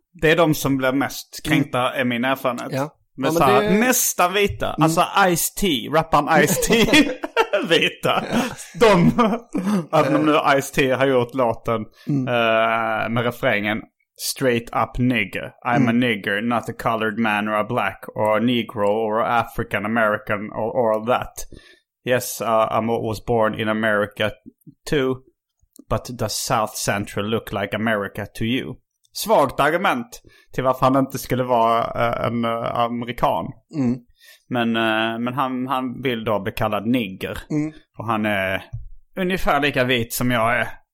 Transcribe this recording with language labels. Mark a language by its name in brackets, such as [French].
[Swedish] Det är de som blir mest kränkta är min erfarenhet. Men så här, nästan vita, alltså Ice-T, rapparen Ice-T vita. De även om nu Ice-T har gjort låten med refrängen straight up nigger. [English] I'm a nigger, not a colored man or a black or a negro or African American or all that. Yes, I was born in America too, but does South Central look like America to you? [Swedish] Svagt argument till varför han inte skulle vara en amerikan. Men han vill då bli kallad nigger. Och han är ungefär lika vit som jag är.